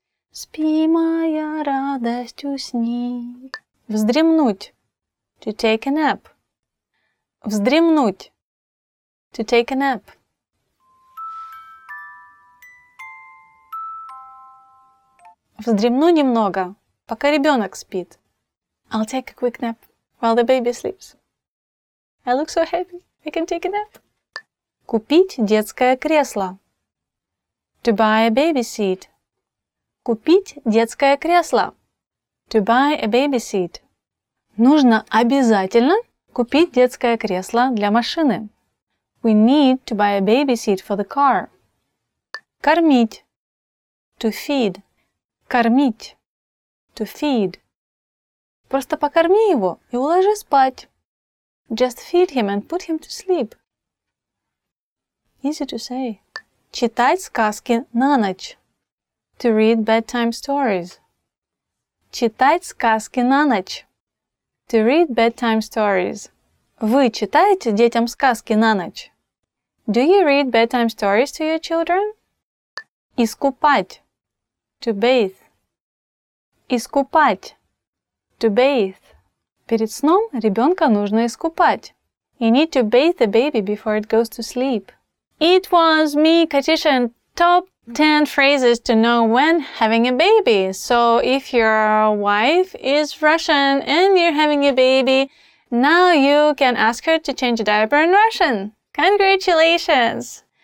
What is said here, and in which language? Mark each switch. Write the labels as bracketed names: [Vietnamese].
[Russian] Спи, моя радость, усни. Вздремнуть. [English] To take a nap. [Russian] Вздремнуть. [English] To take a nap. [Russian] Вздремну немного, пока ребенок спит. [English] I'll take a quick nap while the baby sleeps. I look so happy. I can take a nap. [Russian] Купить детское кресло. [English] To buy a baby seat. [Russian] Купить детское кресло. [English] To buy a baby seat. [Russian] Нужно обязательно купить детское кресло для машины. [English] We need to buy a baby seat for the car. [Russian] Кормить. [English] To feed. [Russian] Кормить. [English] To feed. [Russian] Просто покорми его и уложи спать. [English] Just feed him and put him to sleep. Easy to say. [Russian] Читать сказки на ночь. [English] To read bedtime stories. [Russian] Читать сказки на ночь. [English] To read bedtime stories. [Russian] Вы читаете детям сказки на ночь? [English] Do you read bedtime stories to your children? [Russian] Искупать. [English] To bathe. [Russian] Искупать. [English] To bathe. [Russian] Перед сном ребенка нужно искупать. [English] You need to bathe the baby before it goes to sleep. It was me, Katisha, and top 10 phrases to know when having a baby. So if your wife is Russian and you're having a baby, now you can ask her to change a diaper in Russian. Congratulations!